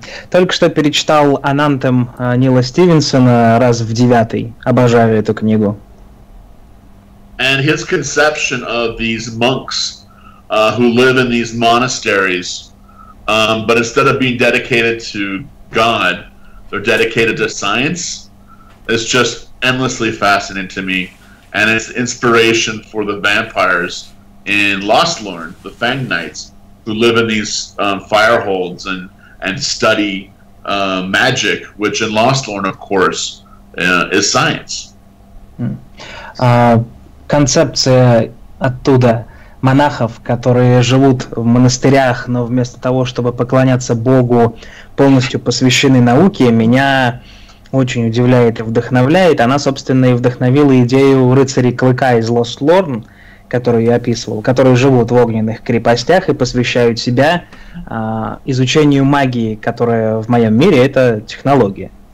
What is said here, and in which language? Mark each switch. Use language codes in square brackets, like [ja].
[ru] Только что перечитал Anthem Нила Стивенсона раз в девятый. Обожаю эту книгу. [en] And his conception of these monks who live in these monasteries, but instead of being dedicated to God, they're dedicated to science. It's just endlessly fascinating to me, and it's inspiration for the vampires in Lostlorn, the Fang Knights, who live in these fire holds and study magic, which in Lostlorn, of course, is science. [ru] Концепция оттуда монахов, которые живут в монастырях, но вместо того, чтобы поклоняться Богу, полностью посвящены науке, меня очень удивляет и вдохновляет. Она, собственно, и вдохновила идею рыцарей Клыка из Лостлорн, которую я описывал, которые живут в огненных крепостях и посвящают себя изучению магии, которая в моем мире — это технология.